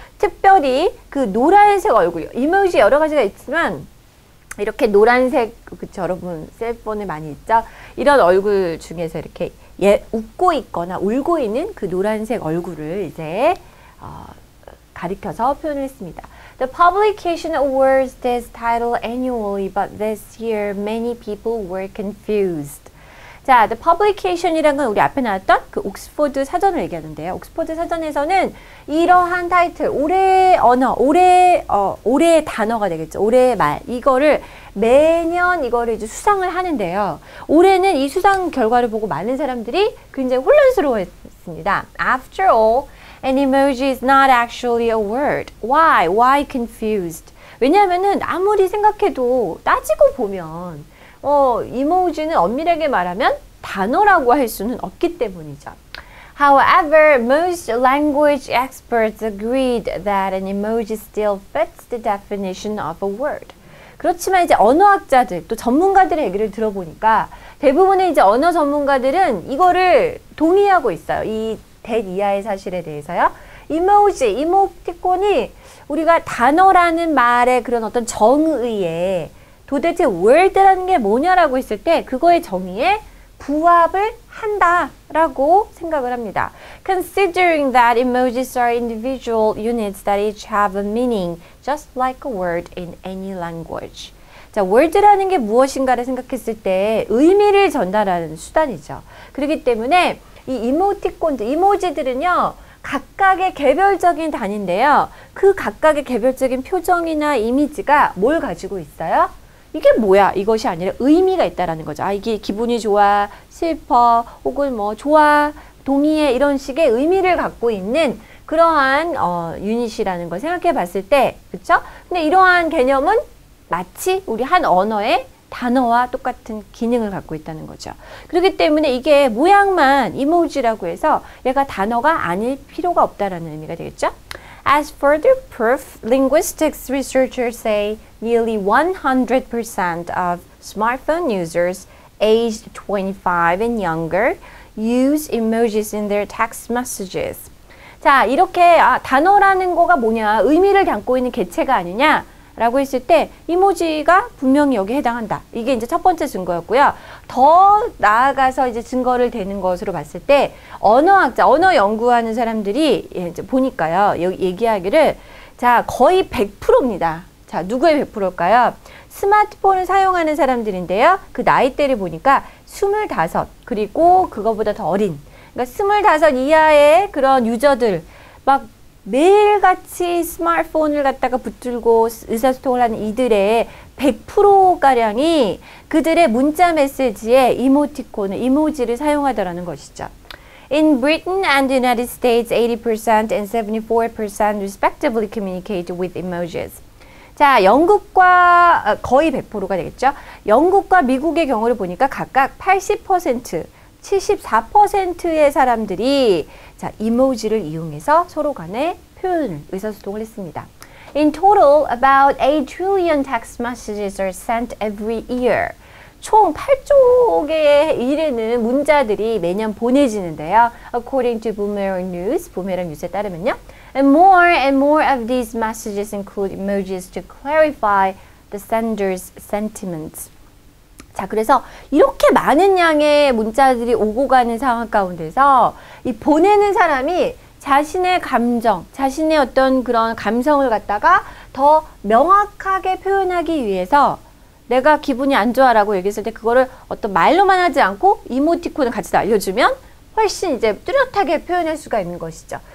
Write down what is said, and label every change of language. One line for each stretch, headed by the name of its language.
Korean: 특별히 그 노란색 얼굴, 이모지 여러 가지가 있지만, 이렇게 노란색, 그쵸, 여러분, 셀폰에 많이 있죠? 이런 얼굴 중에서 이렇게 웃고 있거나 울고 있는 그 노란색 얼굴을 이제 가리켜서 표현을 했습니다.
English: The publication awards this title annually, but this year many people were confused.
Korean: 자, the publication이란 건 우리 앞에 나왔던 그 옥스퍼드 사전을 얘기하는데요. 옥스퍼드 사전에서는 이러한 타이틀, 올해의 언어, 올해의 단어가 되겠죠. 올해의 말, 이거를 매년 이거를 이제 수상을 하는데요. 올해는 이 수상 결과를 보고 많은 사람들이 굉장히 혼란스러워했습니다.
English: After all, an emoji is not actually a word. Why? Why confused?
Korean: 왜냐하면은 아무리 생각해도 따지고 보면 이모지는 엄밀하게 말하면 단어라고 할 수는 없기 때문이죠.
English: However, most language experts agreed that an emoji still fits the definition of a word.
Korean: 그렇지만 이제 언어학자들, 또 전문가들의 얘기를 들어보니까 대부분의 이제 언어 전문가들은 이거를 동의하고 있어요. 이 that 이하의 사실에 대해서요. 이모지, 이모티콘이 우리가 단어라는 말의 그런 어떤 정의에 도대체 word라는 게 뭐냐라고 했을 때 그거의 정의에 부합을 한다라고 생각을 합니다.
English: Considering that emojis are individual units that each have a meaning just like a word in any language.
Korean: 자, word라는 게 무엇인가를 생각했을 때 의미를 전달하는 수단이죠. 그렇기 때문에 이 이모티콘들, 이모지들은요, 각각의 개별적인 단위인데요. 그 각각의 개별적인 표정이나 이미지가 뭘 가지고 있어요? 이게 뭐야? 이것이 아니라 의미가 있다라는 거죠. 아, 이게 기분이 좋아, 슬퍼, 혹은 뭐 좋아, 동의해 이런 식의 의미를 갖고 있는 그러한 유닛이라는 걸 생각해 봤을 때, 그렇죠? 근데 이러한 개념은 마치 우리 한 언어의 단어와 똑같은 기능을 갖고 있다는 거죠. 그렇기 때문에 이게 모양만 이모지라고 해서 얘가 단어가 아닐 필요가 없다라는 의미가 되겠죠?
English: As further proof, linguistics researchers say nearly 100% of smartphone users aged 25 and younger use emojis in their text messages.
Korean: 자, 이렇게 아, 단어라는 거가 뭐냐, 의미를 담고 있는 개체가 아니냐 라고 했을 때 이모지가 분명히 여기 해당한다. 이게 이제 첫 번째 증거였고요. 더 나아가서 이제 증거를 대는 것으로 봤을 때 언어학자, 언어 연구하는 사람들이 이제 보니까요. 얘기하기를 자, 거의 100%입니다. 자, 누구의 100%일까요? 스마트폰을 사용하는 사람들인데요. 그 나이대를 보니까 25, 그리고 그거보다 더 어린. 그러니까 25 이하의 그런 유저들 막 매일같이 스마트폰을 갖다가 붙들고 의사소통을 하는 이들의 100%가량이 그들의 문자 메시지에 이모티콘을, 이모지를 사용하더라는 것이죠.
English: In Britain and United States, 80% and 74% respectively communicate with emojis.
Korean: 자, 영국과 거의 100%가 되겠죠. 영국과 미국의 경우를 보니까 각각 80%, 74%의 사람들이 자, 이모지를 이용해서 서로 간에 표현을, 의사소통을 했습니다.
English: In total, about 8 trillion text messages are sent every year.
Korean: 총 8조 개에 이르는 문자들이 매년 보내지는데요.
English: According to Boomerang News,
Korean: 부메랑 뉴스에 따르면요.
English: And more of these messages include emojis to clarify the sender's sentiments.
Korean: 자, 그래서 이렇게 많은 양의 문자들이 오고 가는 상황 가운데서 이 보내는 사람이 자신의 감정, 자신의 어떤 그런 감성을 갖다가 더 명확하게 표현하기 위해서 내가 기분이 안 좋아라고 얘기했을 때 그거를 어떤 말로만 하지 않고 이모티콘을 같이 알려주면 훨씬 이제 뚜렷하게 표현할 수가 있는 것이죠.